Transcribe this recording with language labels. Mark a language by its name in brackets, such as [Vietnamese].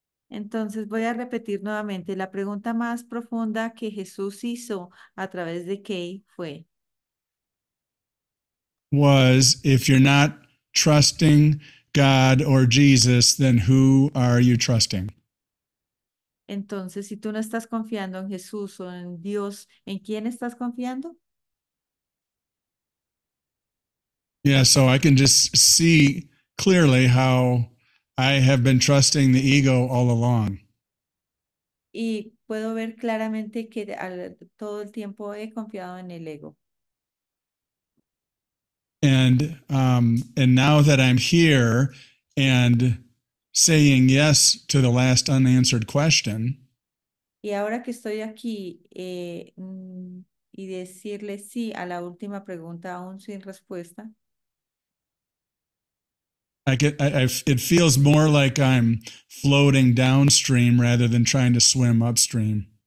[Spanish] Entonces voy a repetir nuevamente la pregunta más profunda que Jesús hizo a través de Kay fue. [English] Was, if you're not trusting God or Jesus, then who are you trusting? [Spanish] Entonces, si tú no estás confiando en Jesús o en Dios, ¿en quién estás confiando? [English] Yeah, so I can just see clearly how I have been trusting the ego all along. [Spanish] Y puedo ver claramente que todo el tiempo he confiado en el ego. [English] And now that I'm here and saying yes to the last unanswered question. [Spanish] Y ahora que estoy aquí y decirle sí a la última pregunta aún sin respuesta. [English] It feels more like I'm floating downstream rather than trying to swim upstream.